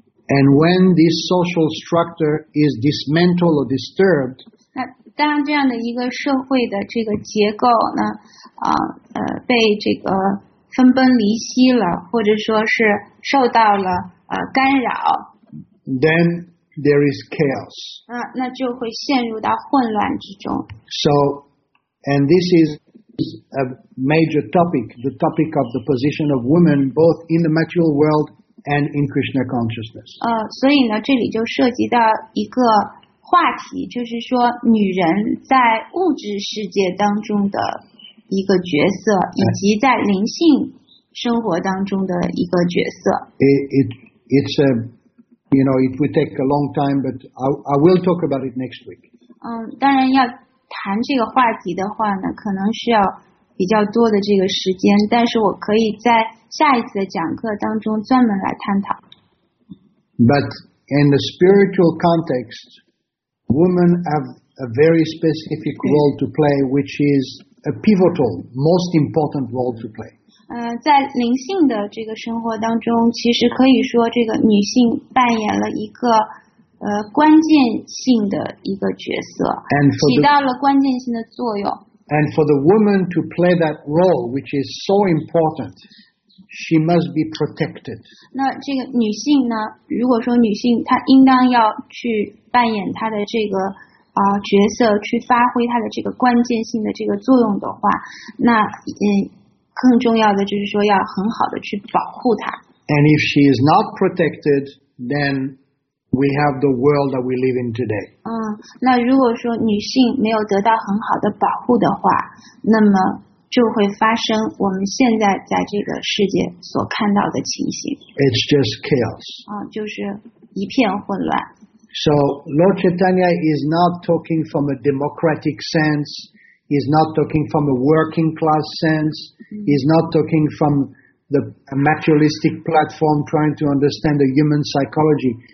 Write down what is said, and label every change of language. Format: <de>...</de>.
<en>And when this social structure is dismantled or disturbed,</en> <zh>那当这样的一个社会的这个结构呢，被这个分崩离析了，或者说是受到了干扰。</zh> <en>Then there is chaos.</en> <zh>那就会陷入到混乱之中。</zh> <en>So, and this is a major topic, the topic of the position of women both in the material world and in Krishna consciousness.</en> <zh>所以呢，这里就涉及到一个话题，就是说女人在物质世界当中的一个角色，以及在灵性生活当中的一个角色。</zh> <en>It's a, you know, it would take a long time, but I will talk about it next week.</en> <zh>当然要谈这个话题的话呢，可能需要比较多的这个时间，但是我可以在下一次的讲课当中专门来探讨。</zh> <en>But in the spiritual context, women have a very specific role to play, which is a pivotal, most important role to play.</en> <zh>在灵性的这个生活当中，其实可以说这个女性扮演了一个关键性的一个角色，</zh> <en>and for the,</en> <zh>起到了关键性的作用。</zh> <en>And for the woman to play that role, which is so important, she must be protected.</en> <zh>那这个女性呢，如果说女性她应当要去扮演她的这个角色，去发挥它的这个关键性的这个作用的话，那更重要的就是说要很好的去保护它。</zh> <en>And if she is not protected, then we have the world that we live in today.</en> <zh>那如果说女性没有得到很好的保护的话，那么就会发生我们现在在这个世界所看到的情形。</zh> <en>It's just chaos.</en> <zh>就是一片混乱。</zh> <en>So Lord Chaitanya is not talking from a democratic sense, he's not talking from a working class sense, he's not talking from a materialistic platform trying to understand the human psychology.</en>